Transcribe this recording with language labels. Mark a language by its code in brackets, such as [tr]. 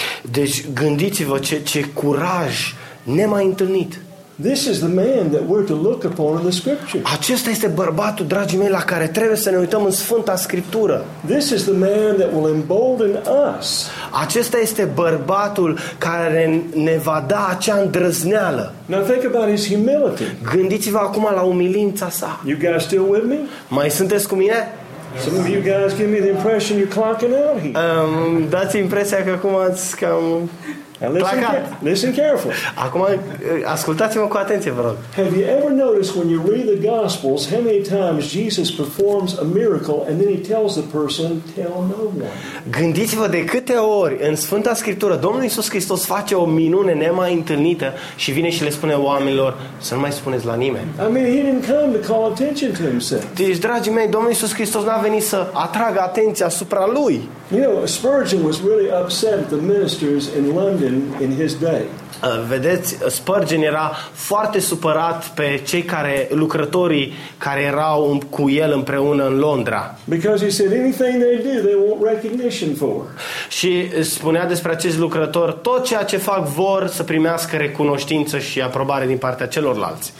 [ro] Deci gândiți-vă ce curaj nemai întâlnit. [en] This is the man that we're to look upon in the scripture. [ro] Acesta este bărbatul, dragii mei, la care trebuie să ne uităm în Sfânta Scriptură. [en] This is the man that will embolden us. [ro] Acesta este bărbatul care ne va da acea îndrăzneală. [en] Now think about his humility. [ro] Gândiți-vă acum la umilința sa. [en] You guys still with me? [ro] Mai sunteți cu mine? [en] Some of you guys give me the impression you're clocking out here. [ro] Dați impresia că acum ați cam... [en] Listen carefully. [ro] Acum ascultați-mă cu atenție, vă rog. [en] Have you ever noticed when you read the Gospels how many times Jesus performs a miracle and then he tells the person, "Tell no one." [ro] Gândiți-vă de câte ori în Sfânta Scriptură Domnul Iisus Hristos face o minune nemai întâlnită și vine și le spune oamenilor să nu mai spuneți la nimeni. [en] I mean, he didn't come to call attention to himself. [ro] Deci, dragii mei, Domnul Iisus Hristos n-a venit să atragă atenția asupra lui. [en] You know, Spurgeon was really upset at the ministers in London in his day. [ro] Vedeți, Spurgeon era foarte supărat pe cei care lucrătorii care erau cu el împreună în Londra. [en] Because he said anything they do, they want recognition for. [ro] Și spunea despre acești lucrători, tot ceea ce fac vor să primească recunoștință și aprobare din partea celorlalți.